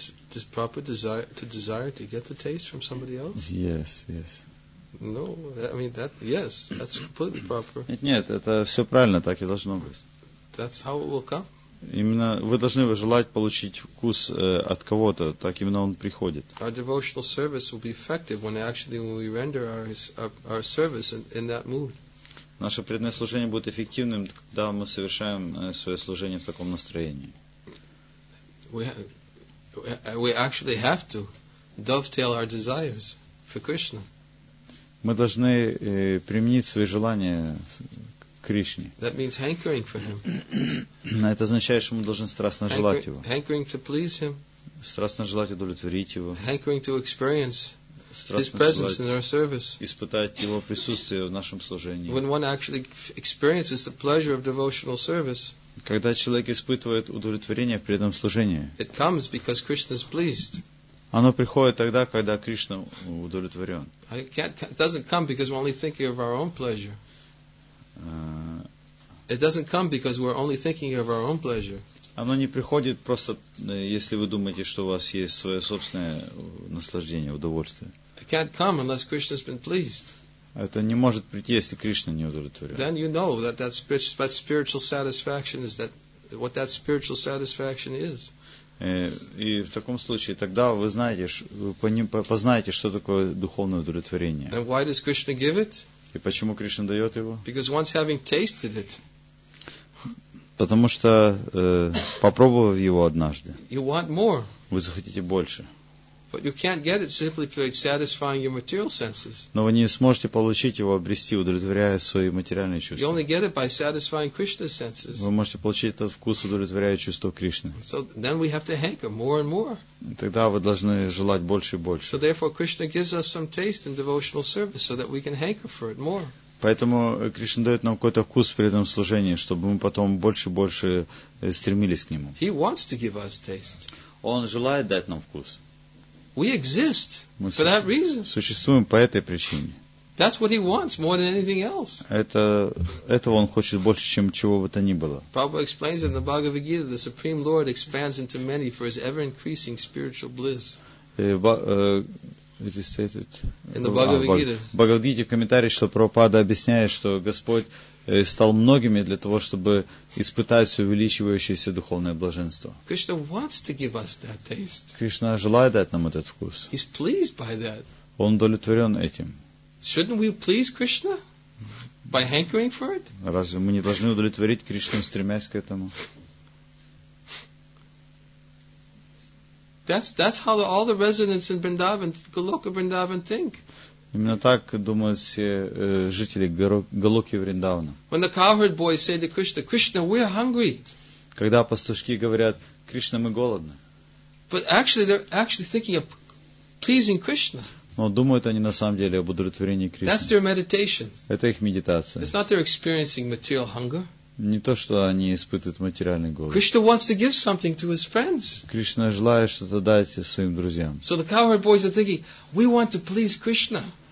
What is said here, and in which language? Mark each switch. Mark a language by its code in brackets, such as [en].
[en] Does proper desire to get the taste from somebody else? Yes, yes. No, I mean that. Yes, that's completely proper. [ru] Нет, это все правильно, так и должно быть. [en] That's how it will come. [ru] Именно вы должны желать получить вкус от кого-то, так именно он приходит. [en] Our devotional service will be effective when we render our service in that mood. [ru] Наше преданное служение будет эффективным, когда мы совершаем свое служение в таком настроении. [en] We actually have to dovetail our desires for Krishna. [ru] Мы должны применить свои желания к Кришне. [en] That means hankering for him. [ru] Это означает, что мы должны страстно желать его. [en] Hankering to please him. [ru] Страстно желать удовлетворить его. [en] Hankering to experience his presence in our service. [ru] Испытать его присутствие в нашем служении. [en] When one actually experiences the pleasure of devotional service. [ru] Когда человек испытывает удовлетворение в преданном служении. [en] It comes because Krishna is pleased. [ru] Оно приходит тогда, когда Кришна удовлетворен. [en] It doesn't come because we're only thinking of our own pleasure. It doesn't come because we're only thinking of our own pleasure. [ru] Оно не приходит просто, если вы думаете, что у вас есть свое собственное наслаждение, удовольствие. [en] It can't come unless Krishna has been pleased. [ru] Это не может прийти, если Кришна не удовлетворен. [en] Then you know that spiritual satisfaction is what that spiritual satisfaction is. [ru] И в таком случае тогда вы знаете, вы познаете, что такое духовное удовлетворение. [en] And why does Krishna give it? [ru] И почему Кришна дает его? [en] Because once having tasted it. [ru] Потому что попробовав его однажды. [en] You want more. [ru] Вы захотите больше. [en] But you can't get it simply by satisfying your material senses. [ru] Но вы не сможете получить его, обрести, удовлетворяя свои материальные чувства. [en] You only get it by satisfying Krishna's senses. [ru] Вы можете получить этот вкус, удовлетворяя чувство Кришны. [en] So then we have to hanker more and more. [ru] Тогда вы должны желать больше и больше. [en] So therefore Krishna gives us some taste in devotional service so that we can hanker for it more. [ru] Поэтому Кришна дает нам какой-то вкус в преданном служении, чтобы мы потом больше и больше стремились к нему. [en] He wants to give us taste. [ru] Он желает дать нам вкус. [en] We exist for that reason. [ru] Существуем по этой причине. [en] That's what he wants more than anything else. [ru] Этого он хочет больше, чем чего бы то ни было. [en] Prabhupada explains in the Bhagavad Gita, the Supreme Lord expands into many for his ever increasing spiritual bliss. It is stated in the Bhagavad Gita. [ru] Бхагавад-гите в комментарии, что Прабхупада объясняет, что Господь стал многими для того, чтобы испытать увеличивающееся духовное блаженство. Кришна желает дать нам этот вкус. [en] He's pleased by that. [ru] Он удовлетворен этим. [en] Shouldn't we please Krishna by hankering for it? [ru] Разве мы не должны удовлетворить Кришну, стремясь к этому? [en] That's how all the residents in Vrindavan, Goloka Vrindavan, think. [ru] Именно так думают все жители Голоки Вриндавана. [en] When the cowherd boys say to Krishna, Krishna, we are hungry. [ru] Когда пастушки говорят, Кришна, мы голодны. [en] But actually, they're actually thinking of pleasing Krishna. [ru] Но думают они на самом деле об удовлетворении Кришны. [en] That's their meditation. [ru] Это их медитация. [en] It's not they're experiencing material hunger. [ru] Не то, что они испытывают материальный голод. [en] Krishna wants to give something to his friends. [ru] Кришна желает что-то дать своим друзьям. [en] So the cowherd boys are thinking, we want to please Krishna.